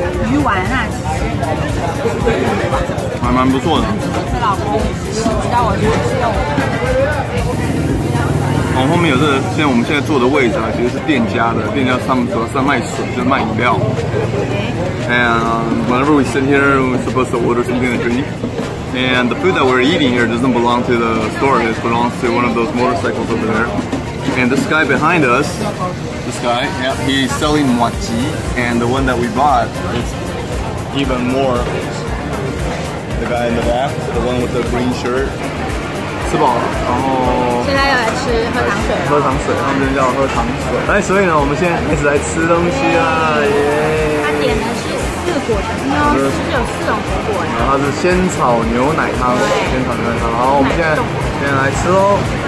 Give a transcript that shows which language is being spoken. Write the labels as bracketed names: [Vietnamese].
[Chinese] 鱼丸啊，还蛮不错的。我是老公叫我去吃豆腐。然后后面有这个，现在我们现在坐的位置啊，其实是店家的，店家他们主要是在卖水，就是卖饮料。 [English] And whenever we sit here, we're supposed to order something to drink. And the food that we're eating here doesn't belong to the store. It belongs to one of those motorcycles over there. And this guy behind us. This guy, yeah, he's selling mua ji, and the one that we bought is even more. The guy in the back, the one with the green shirt. [Chinese] 吃饱了，然后现在要来吃喝糖水。喝糖水，他们就叫喝糖水。哎，所以呢，我们现在一直来吃东西啊，耶！他点的是四果汤哦，是不是有四种水果呀？然后它是仙草牛奶汤，仙草牛奶汤。好，我们现在来吃喽。